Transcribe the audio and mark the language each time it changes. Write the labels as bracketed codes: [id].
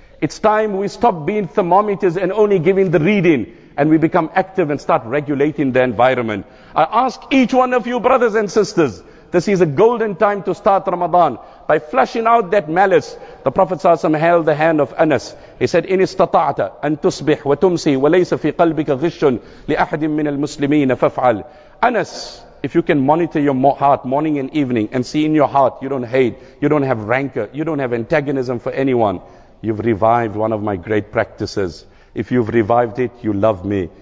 [en] It's time we stop being thermometers and only giving the reading, and we become active and start regulating the environment. I ask each one of you, brothers and sisters, this is a golden time to start Ramadan by flushing out that malice. The Prophet ﷺ held the hand of Anas. He said, [ar] إِنِ اسْتَطَعْتَ أَن تُصْبِحْ وَتُمْسِي وَلَيْسَ فِي قَلْبِكَ غِشٌ لِأَحْدٍ مِّنَ الْمُسْلِمِينَ فَفْعَلْ. [en] Anas, if you can monitor your heart morning and evening and see in your heart you don't hate, you don't have rancor, you don't have antagonism for anyone, you've revived one of my great practices. If you've revived it, you love me.